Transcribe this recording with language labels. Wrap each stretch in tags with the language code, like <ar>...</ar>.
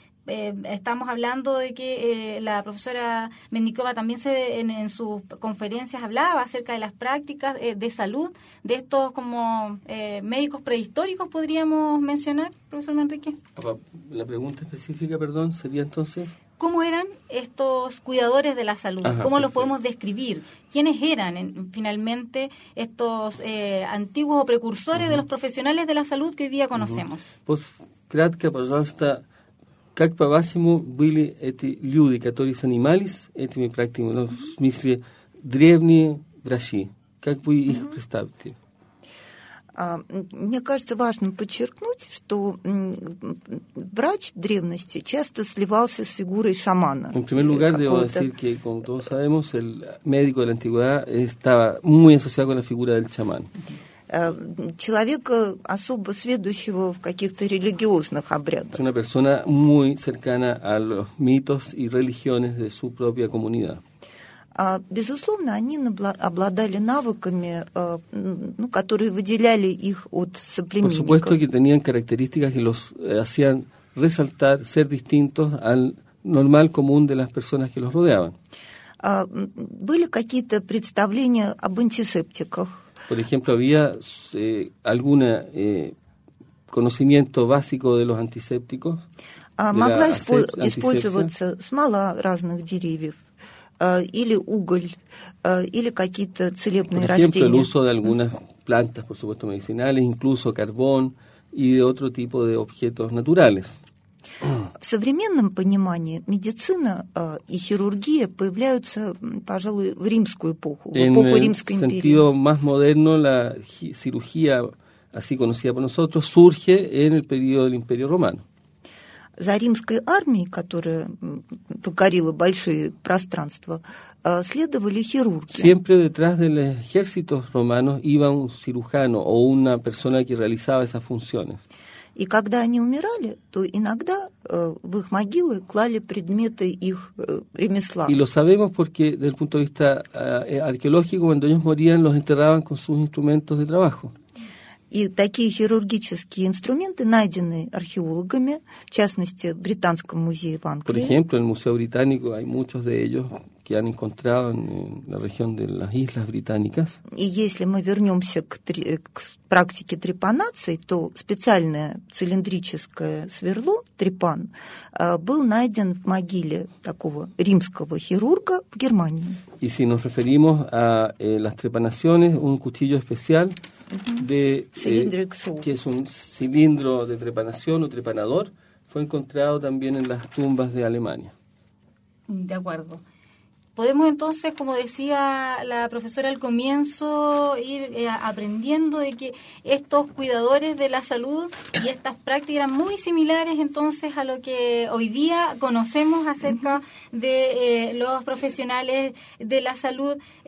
<es>Estamos hablando de que la profesora Mendikova también en sus conferencias hablaba acerca de las prácticas de salud de estos como médicos prehistóricos, podríamos mencionar, profesor Manrique. La pregunta específica, perdón, sería entonces, ¿cómo eran estos cuidadores de la salud? Ajá, ¿cómo los podemos describir? ¿Quiénes eran finalmente estos antiguos o precursores de los profesionales de la salud que hoy día conocemos?</es> <ru>Pues, кратко, пожалуйста, как по-вашему были эти люди, которые занимались этими практиками, ну, в смысле древние врачи? Как вы их представите? Мне кажется, важно подчеркнуть, что врач в древности часто сливался с фигурой шамана.</ru> <es>En primer lugar, debo decir que, como todos sabemos, el médico de la antigüedad estaba muy asociado con la figura del chamán.</es> <ru>Человека, особо сведущего в каких-то религиозных обрядах.</ru> <es>Es una persona muy cercana a los mitos y religiones de su propia comunidad.</es> <ru>Безусловно, они обладали навыками, ну, которые выделяли их от соплеменников.</ru> <es>Por supuesto que tenían características que los hacían resaltar, ser distintos al normal común de las personas que los rodeaban.</es> <ru>были какие-то представления об антисептиках?</ru> <es>Por ejemplo, había alguna conocimiento básico de los antisépticos?</es> <ru>Могла использоваться смола разных деревьев, или уголь, или какие-то целебные растения.</ru> <es>Por ejemplo, el uso de algunas plantas, por supuesto, medicinales, incluso carbón y de otro tipo de objetos naturales.</es> <ru>В современном понимании медицина и хирургия появляются, пожалуй, в римскую эпоху,</ru> <es>en</es> <ru>в эпоху Римской империи.</ru> <es>En sentido más moderno, la cirugía, así conocida por nosotros, surge en el periodo del Imperio Romano.</es> <ru>За римской армией, которая покорила большие пространства, следовали хирурги.</ru> <es>Siempre detrás del ejército romano iba un cirujano o una persona que realizaba esas funciones.</es> <ru>И когда они умирали, то иногда в их могилы клали предметы их ремесла.</ru> <es>Y lo sabemos porque desde el punto de vista arqueológico, cuando ellos morían, los enterraban con sus instrumentos de trabajo.</es> <ru>И такие хирургические инструменты найдены археологами, в частности, в Британском музее в Англии.</ru> <es>Por ejemplo, en el Museo Británico hay muchos de ellos que han encontrado en la región de las Islas Británicas.</es> <ru>И если мы вернемся к практике трепанации, то специальное цилиндрическое сверло, трепан, был найден в могиле такого римского хирурга в Германии.</ru> <es>Y si nos referimos a las trepanaciones, un cuchillo especial... De, que es un cilindro de trepanación o trepanador, fue encontrado también en las tumbas de Alemania. De acuerdo. Podemos entonces, como decía la profesora al comienzo, ir aprendiendo de que estos cuidadores de la salud y estas prácticas eran muy similares entonces a lo que hoy día conocemos acerca de los profesionales de la salud.</es>